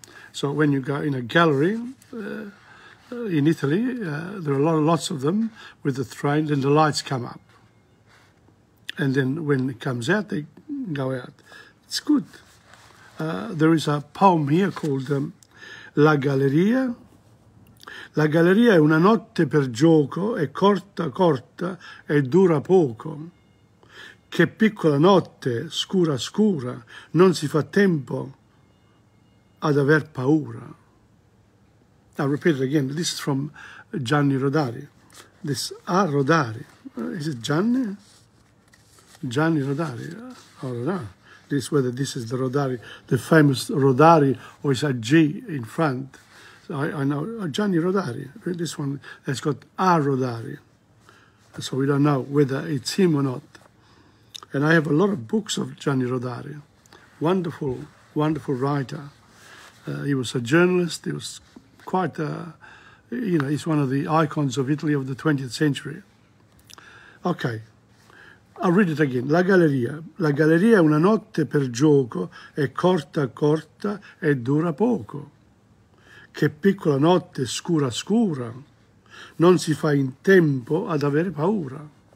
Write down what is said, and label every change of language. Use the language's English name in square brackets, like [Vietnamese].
[English] So when you go in a gallery, in Italy, there are lots of them with the train, then the lights come up. And then when it comes out, they go out. It's good. There is a poem here called La Galleria. [Italian] La galleria è una notte per gioco, è corta, corta, e dura poco. Che piccola notte, scura, scura, non si fa tempo ad aver paura. [English] I'll repeat it again. This is from Gianni Rodari. This A Rodari. Is it Gianni? Gianni Rodari. I don't know. This, whether this is the Rodari, the famous Rodari, or is a G in front. So I know Gianni Rodari. This one has got A Rodari. So we don't know whether it's him or not. And I have a lot of books of Gianni Rodari. Wonderful, wonderful writer. He was a journalist. He was quite, he's one of the icons of Italy of the 20th century. Okay. I'll read it again. La galleria. [Italian] La galleria è una notte per gioco, è corta, corta, e dura poco. Che piccola notte, scura, scura. Non si fa in tempo ad avere paura.